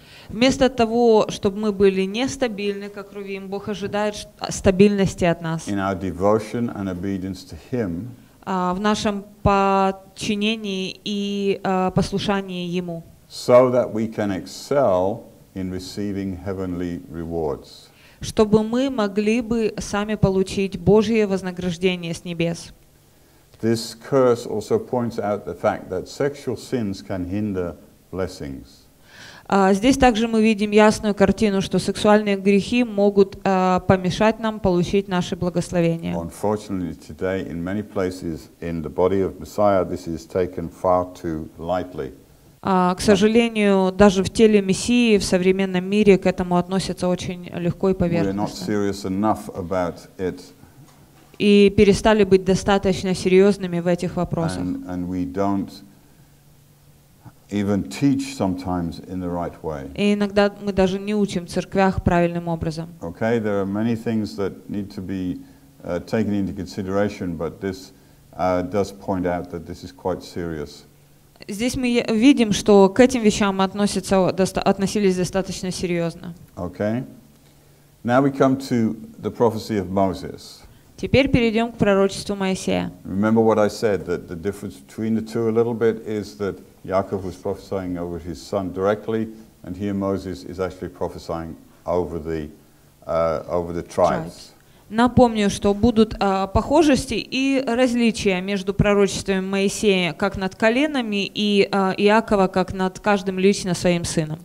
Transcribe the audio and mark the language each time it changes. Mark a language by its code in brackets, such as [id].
[ru] Вместо того, чтобы мы были нестабильны, как Рувим, Бог ожидает стабильности от нас. [en] In our devotion and obedience to Him, [ru] в нашем подчинении и послушании Ему. [en] So that we can excel in receiving heavenly rewards. [ru] Чтобы мы могли бы сами получить Божие вознаграждение с небес. [en] This curse also points out the fact that sexual sins can hinder blessings. [ru] Здесь также мы видим ясную картину, что сексуальные грехи могут помешать нам получить наши благословения. [en] Unfortunately, today in many places in the body of Messiah this is taken far too lightly. [ru] К сожалению, даже в теле Мессии в современном мире к этому относятся очень легко и поверхностно. [en] We're not serious enough about it. [ru] И перестали быть достаточно серьезными в этих вопросах. [en] And we don't even teach sometimes in the right way. [ru] И иногда мы даже не учим в церквях правильным образом. [en] Okay, there are many things that need to be taken into consideration, but this does point out that this is quite serious. [ru] Здесь мы видим, что к этим вещам относились достаточно серьезно. [en] Okay. Now we come to the prophecy of Moses. [ru] Теперь перейдем к пророчеству Моисея. [en] Remember what I said, that the difference between the two a little bit is that Jacob was prophesying over his son directly, and here Moses is actually prophesying over the tribes. [ru] Напомню, что будут похожести и различия между пророчествами Моисея как над коленами и Иакова как над каждым лично своим сыном.